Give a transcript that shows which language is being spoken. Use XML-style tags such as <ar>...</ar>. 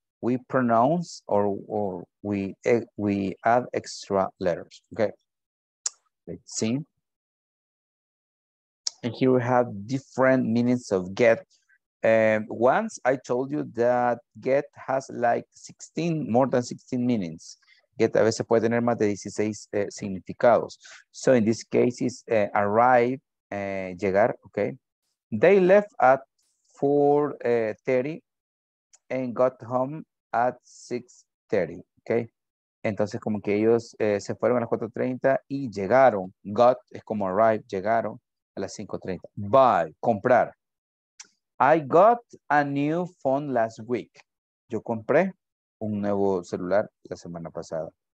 <en>We pronounce or we add extra letters. Okay. Let's see. And here we have different meanings of get. Once I told you that get has like 16, more than 16 meanings.</en> <es>Get a veces puede tener más de 16 significados.</es> <en>So in this case is arrive, llegar. Okay. They left at 4:30 and got home at 6:30, okay?</en> <es>Entonces, como que ellos se fueron a las 4:30 y llegaron. Got es como arrive, llegaron a las 5:30. Buy, comprar.</es> <en>I got a new phone last week.</en> <es>Yo compré un nuevo celular la semana pasada.</es>